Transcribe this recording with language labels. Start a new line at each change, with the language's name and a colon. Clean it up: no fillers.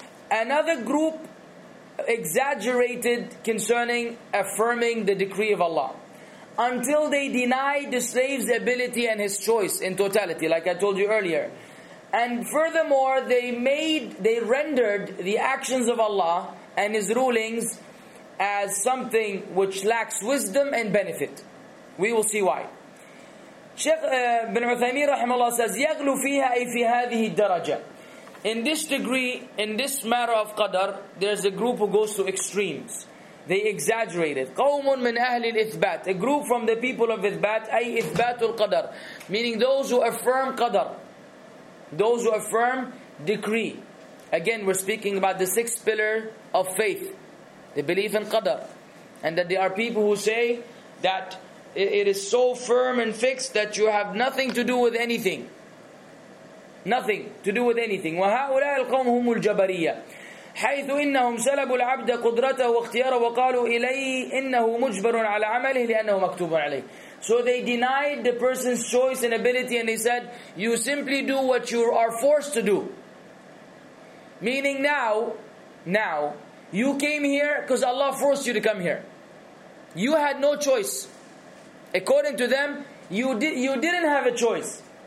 English: Another group exaggerated concerning affirming the decree of Allah, until they denied the slave's ability and his choice in totality, like I told you earlier. And furthermore, they rendered the actions of Allah and His rulings as something which lacks wisdom and benefit. We will see why.
Arabic: Shaykh bin Uthaymeen rahimahullah says, يَغْلُ فِيهَا أي فِي هَذِهِ الدَّرَجَةِ.
English: In this degree, in this matter of Qadr, there's a group who goes to extremes. They exaggerated.
Arabic: قَوْمٌ مِّنْ أَهْلِ الْإِثْبَاتِ.
English: A group from the people of Ithbat,
Arabic: أي إثباتُ القدر.
English: Meaning those who affirm Qadr. Those who affirm decree. Again, we're speaking about the sixth pillar of faith. The belief in Qadr. And that there are people who say that it is so firm and fixed that you have nothing to do with anything. Nothing to do with anything.
Arabic: وَهَؤُلَاءِ الْقَوْمُ هُمُ الْجَبَرِيَّةِ. حيث إنهم سلبوا العبد قدرته واختياره وقالوا إليه إنه مجبر على عمله لأنه مكتوب عليه.
English: So they denied the person's choice and ability, and they said, you simply do what you are forced to do. Meaning now, you came here because Allah forced you to come here. You had no choice. According to them, you didn't have a choice.